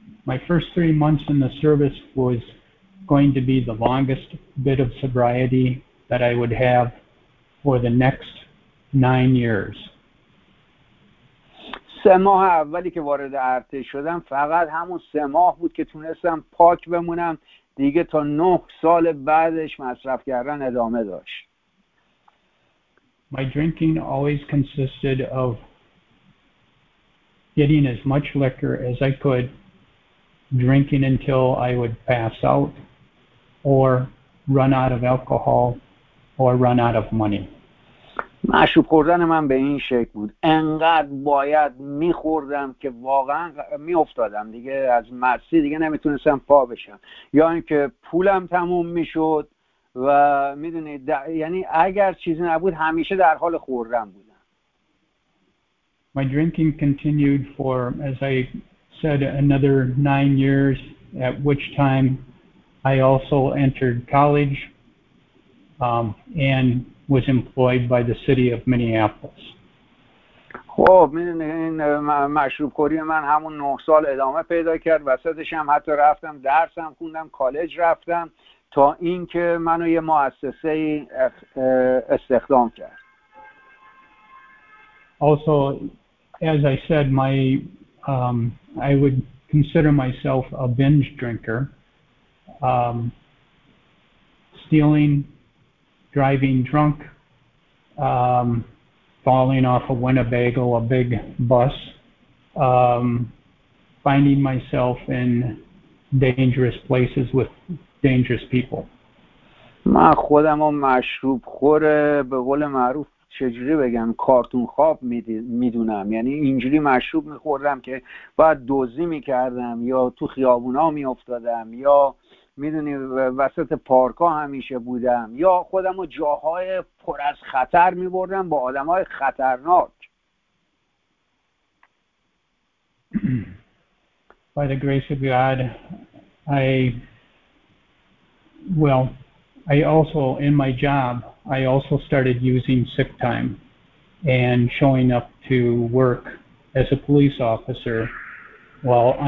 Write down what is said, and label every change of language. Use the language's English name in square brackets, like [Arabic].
[English] My first 3 months in the service was going to be the longest bit of sobriety that I would have for the next 9 years. [Persian] سه ماه اولی که وارد ارتش شدم فقط همون سه ماه بود که تونستم پاک بمونم، دیگه تا 9 سال بعدش مصرف کردن ادامه داشت. [English] My drinking always consisted of getting as much liquor as I could, drinking until I would pass out or run out of alcohol or run out of money. [Persian] مشروب خوردن من به این شکل بود، انقدر باید میخوردم که واقعا میافتادم دیگه از مستی، دیگه نمیتونستم پا بشم، یا اینکه پولم تموم میشد و میدونید یعنی اگر چیزی نبود همیشه در حال خوردن بودم. [English] My drinking continued for, as I said, another 9 years, at which time I also entered college and was employed by the city of Minneapolis. [Persian] خب این مشروب خوری من همون 9 سال ادامه پیدا کرد، وسطش هم حتی رفتم درسم خوندم، کالج رفتم، تا اینکه منو یه مؤسسه استخدام کرد. [English] Also, as I said, my I would consider myself a binge drinker, stealing, driving drunk, falling off a Winnebago, a big bus, finding myself in dangerous places with dangerous people. [Persian] من خودم مشروب خور به قول معروف چجوری بگم کارتون خواب میدونم، یعنی اینجوری مشروب میخوردم که باید دزدی میکردم یا تو خیابونا میافتادم یا میدونی وسط پارکا همیشه بودم یا خودم رو جاهای پر از خطر میبردم با آدم های خطرناک. [English] By the grace of God, I also, in my job, I also started using sick time and showing up to work as a police officer while under